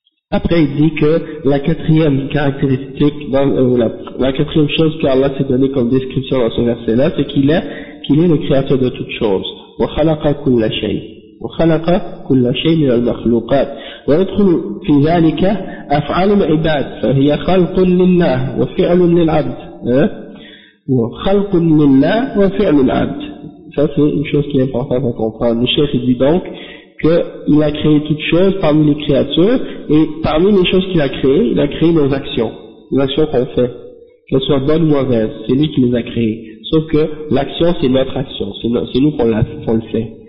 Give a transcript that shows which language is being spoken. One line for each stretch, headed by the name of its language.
French: Après, il dit que la quatrième caractéristique, la quatrième chose qu'Allah s'est donnée comme description dans ce verset-là, c'est qu'il est le créateur de toutes choses.
Arabic: وخلق كل شيء وخلق كل شيء من المخلوقات ويدخل في ذلك أفعال العباد فهي خلق لله وفعل للعبد وخلق لله وفعل العبد.
French: Ça c'est une chose qui est importante à comprendre. Le chef dit donc que il a créé toutes choses parmi les créatures, et parmi les choses qu'il a créées, il a créé nos actions, les actions qu'on fait, qu'elles soient bonnes ou mauvaises, c'est lui qui les a créées. Sauf que l'action, c'est notre action, c'est nous qu'on le fait.